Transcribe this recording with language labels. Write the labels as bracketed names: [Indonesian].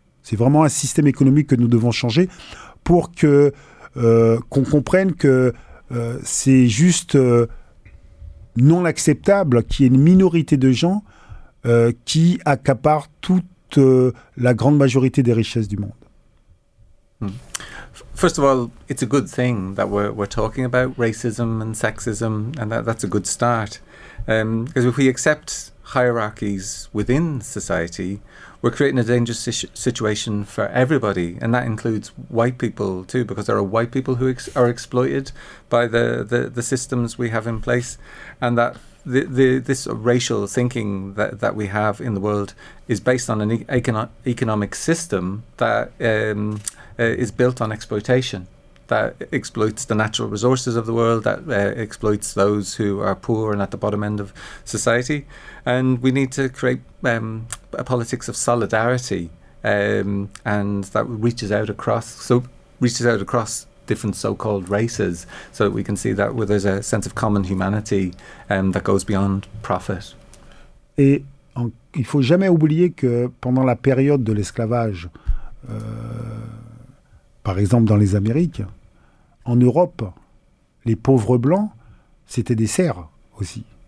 [French] C'est vraiment un système économique que nous devons changer pour que, qu'on comprenne que c'est juste non acceptable qu'il y ait une minorité de gens qui accaparent tout la grande majorité des richesses du monde. [English] First of all, it's a good thing that we're talking about racism and sexism, and that's a good start. Because if we accept hierarchies within society, we're creating a dangerous situation for everybody, and that includes white people too, because there are white people who are exploited by the systems we have in place, and that this racial thinking that we have in the world is based on an economic system that is built on exploitation, that exploits the natural resources of the world, that exploits those who are poor and at the bottom end of society. And we need to create a politics of solidarity, and that reaches out across different so-called races, so that we can see that there's a sense of common humanity that goes beyond profit. [French] Et il faut jamais oublier que pendant la période de l'esclavage, par exemple dans les Amériques, en Europe, les pauvres blancs, c'était des serfs aussi.